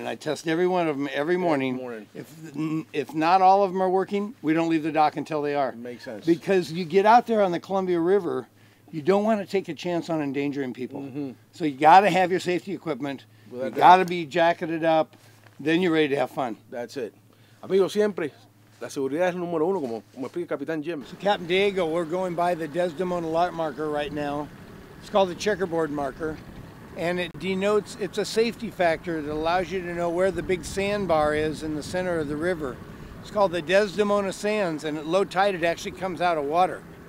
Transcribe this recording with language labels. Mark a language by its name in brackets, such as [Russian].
[English] And I test every one of them every morning. If not all of them are working, we don't leave the dock until they are. Makes sense. Because you get out there on the Columbia River, you don't want to take a chance on endangering people. Mm-hmm. So you got to have your safety equipment. Without you got to be jacketed up. Then you're ready to have fun. That's it. [Spanish] Amigos, siempre, la seguridad es número uno, como explica Capitán Jim. [English] So Captain Diego, we're going by the Desdemona Lark marker right now. It's called the checkerboard marker. And it denotes, it's a safety factor that allows you to know where the big sandbar is in the center of the river. It's called the Desdemona Sands, and at low tide it actually comes out of water.